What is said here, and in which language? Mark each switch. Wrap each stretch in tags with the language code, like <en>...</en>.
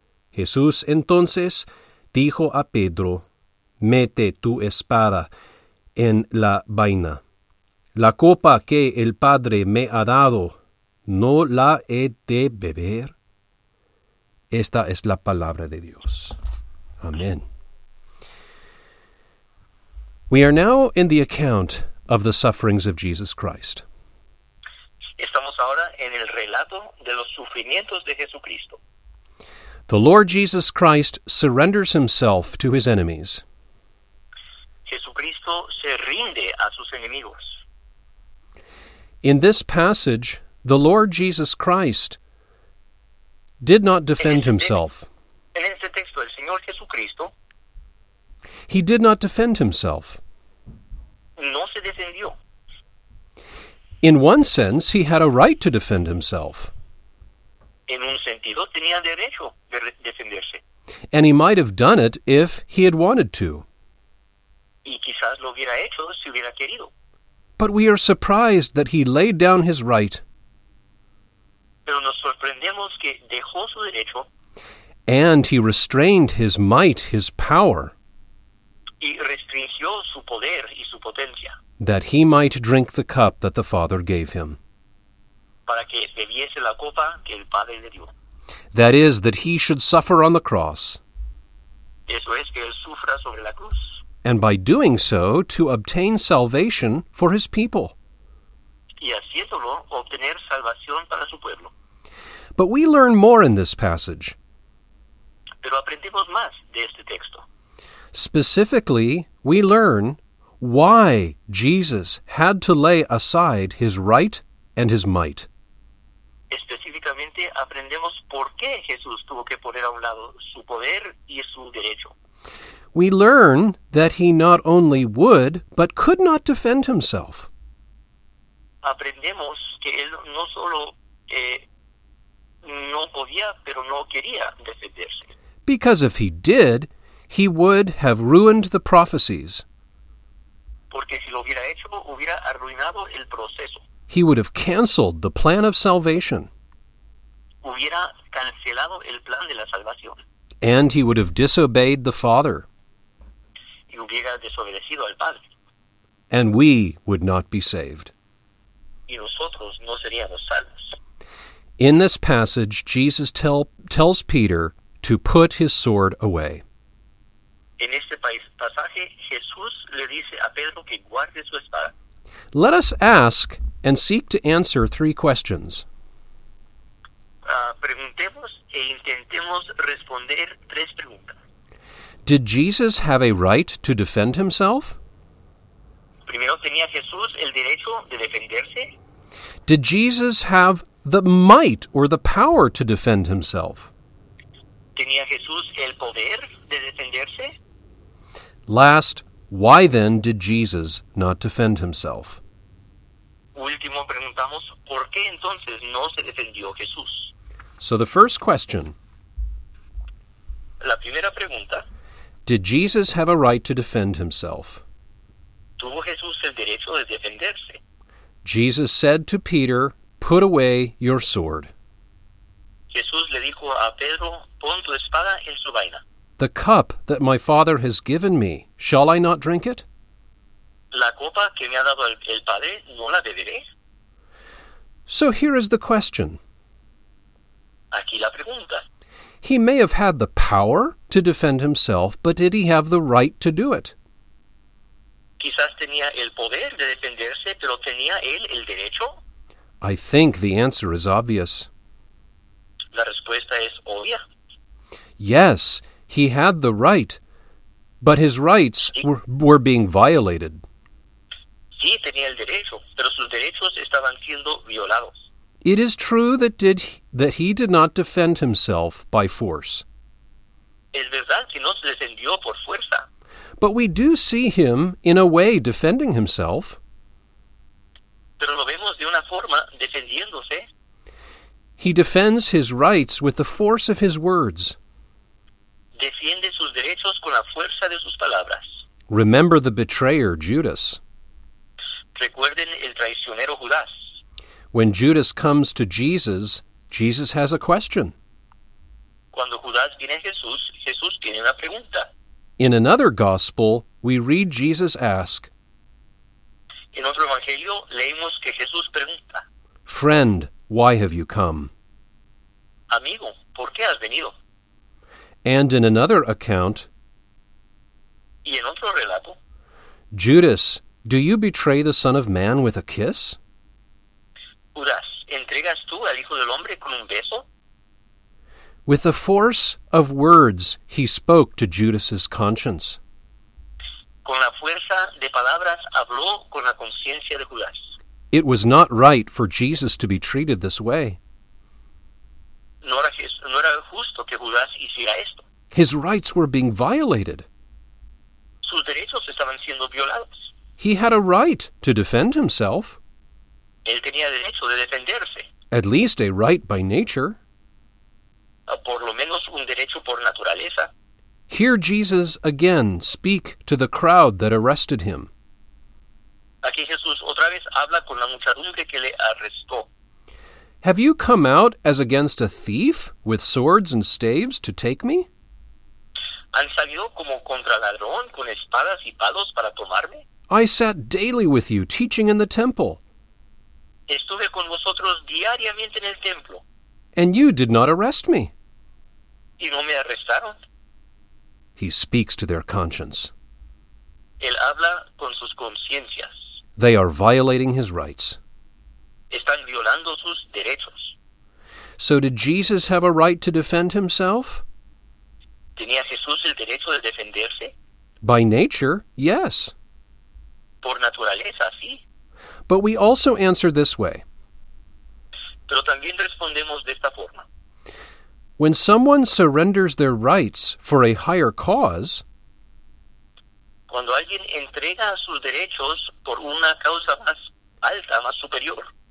<es>Jesús entonces dijo a Pedro, «Mete tu espada en la vaina. La copa que el Padre me ha dado, ¿no la he de beber?». Esta es la palabra de Dios. Amén.</es> <en>We are now in the account of the sufferings of Jesus Christ.</en> <es>Estamos ahora en el relato de los sufrimientos de Jesucristo.</es> <en>The Lord Jesus Christ surrenders himself to his enemies.</en> <es>Jesucristo se rinde a sus enemigos.</es> <en>In this passage, the Lord Jesus Christ did not defend himself.</en> <es>En este texto, el Señor Jesucristo,</es> <en>he did not defend himself.</en> <es>No se defendió.</es> <en>In one sense, he had a right to defend himself.</en> <es>En un sentido, tenía derecho de defenderse.</es> <en>And he might have done it if he had wanted to.</en> <es>Y quizás lo hubiera hecho si hubiera querido.</es> <en>But we are surprised that he laid down his right.</en> <es>Pero nos sorprendemos que dejó su derecho.</es> <en>And he restrained his might, his power.</en> <es>Y restringió su poder y su potencia.</es> <en>That he might drink the cup that the Father gave him.</en> <es>Para que bebiese la copa que el Padre le dio.</es> <en>That is, that he should suffer on the cross.</en> <es>Eso es, que él sufra sobre la cruz.</es> <en>And by doing so, to obtain salvation for his people.</en> <es>Y haciéndolo, obtener salvación para su pueblo.</es> <en>But we learn more in this passage.</en> <es>Pero aprendemos más de este texto.</es> <en>Specifically, we learn why Jesus had to lay aside his right and his might.</en> <es>Específicamente aprendemos por qué Jesús tuvo que poner a un lado su poder y su derecho.</es> <en>We learn that he not only would, but could not defend himself.</en> <es>Aprendemos que él no solo no podía, pero no quería defenderse.</es> <en>Because if he did, he would have ruined the prophecies.</en> <es>Porque si lo hubiera hecho, hubiera arruinado el proceso.</es> <en>He would have canceled the plan of salvation.</en> <es>Hubiera cancelado el plan de la salvación.</es> <en>And he would have disobeyed the Father.</en> <es>Y y hubiera desobedecido al Padre.</es> <en>And we would not be saved.</en> <es>Y nosotros no seríamos salvos.</es> <en>In this passage, Jesus tells Peter to put his sword away.</en> <es>En este pasaje, Jesús le dice a Pedro que guarde su espada.</es> <en>Let us ask and seek to answer three questions.</en> <es>Preguntemos e intentemos responder tres preguntas.</es> <en>Did Jesus have a right to defend himself?</en> <es>Primero, ¿tenía Jesús el derecho de defenderse?</es> <en>Did Jesus have the might or the power to defend himself?</en> <es>¿Tenía Jesús el poder de defenderse?</es> <en>Last, why then did Jesus not defend himself?</en> <es>Último, preguntamos, ¿por qué entonces no se defendió Jesús?</es> <en>So the first question.</en> <es>La primera pregunta.</es> <en>Did Jesus have a right to defend himself?</en> <es>¿Tuvo Jesús el derecho de defenderse?</es> <en>Jesus said to Peter, "Put away your sword."</en> <es>Jesús le dijo a Pedro, "Pon tu espada en su vaina."</es> <en>The cup that my Father has given me, shall I not drink it?</en> <es>La copa que me ha dado el Padre, ¿no la beberé?</es> <en>So here is the question.</en> <es>Aquí la pregunta.</es> <en>He may have had the power to defend himself, but did he have the right to do it?</en> <es>Quizás tenía el poder de defenderse, pero ¿tenía él el derecho?</es> <en>I think the answer is obvious.</en> <es>La respuesta es obvia.</es> <en>Yes, he had the right, but his rights were being violated.</en> <es>Sí, tenía el derecho, pero sus derechos estaban siendo violados.</es> <en>It is true that he did not defend himself by force.</en> <es>Es verdad que no se defendió por fuerza.</es> <en>But we do see him, in a way, defending himself.</en> <es>Pero lo vemos de una forma defendiéndose.</es> <en>He defends his rights with the force of his words.</en> <es>Defiende sus derechos con la fuerza de sus palabras.</es> <en>Remember the betrayer, Judas.</en> <es>Recuerden el traicionero Judas.</es> <en>When Judas comes to Jesus, Jesus has a question.</en> <es>Cuando Judas viene a Jesús, Jesús tiene una pregunta.</es> <en>In another gospel, we read Jesus ask.</en> <es>En otro evangelio, leemos que Jesús pregunta.</es> <en>Friend, why have you come?</en> <es>Amigo, ¿por qué has venido?</es> <en>And in another account,</en> <es>y en otro relato,</es> <en>Judas, do you betray the Son of Man with a kiss?</en> <es>Judas, ¿entregas tú al Hijo del Hombre con un beso?</es> <en>With the force of words, he spoke to Judas's conscience.</en> <es>Con la fuerza de palabras, habló con la conciencia de Judas.</es> <en>It was not right for Jesus to be treated this way.</en> <es>No era justo que Judas hiciera esto.</es> <en>His rights were being violated.</en> <es>Sus derechos estaban siendo violados.</es> <en>He had a right to defend himself.</en> <es>Él tenía derecho de defenderse.</es> <en>At least a right by nature.</en> <es>Por lo menos un derecho por naturaleza.</es> <en>Hear Jesus again speak to the crowd that arrested him.</en> <es>Aquí Jesús otra vez habla con la muchedumbre que le arrestó.</es> <en>Have you come out as against a thief with swords and staves to take me?</en> <es>¿Han salido como contra ladrón con espadas y palos para tomarme?</es> <en>I sat daily with you teaching in the temple.</en> <es>Estuve con vosotros diariamente en el templo.</es> <en>And you did not arrest me.</en> <es>¿Y no me arrestaron?</es> <en>He speaks to their conscience.</en> <es>Él habla con sus conciencias.</es> <en>They are violating his rights.</en> <es>Están violando sus derechos.</es> <en>So did Jesus have a right to defend himself?</en> <es>¿Tenía Jesús el derecho de defenderse?</es> <en>By nature, yes.</en> <es>Por naturaleza, sí.</es> <en>But we also answer this way.</en> <es>Pero también respondemos de esta forma.</es> <en>When someone surrenders their rights for a higher cause,</en> <es>cuando alguien entrega sus derechos por una causa más alta, más superior,</es>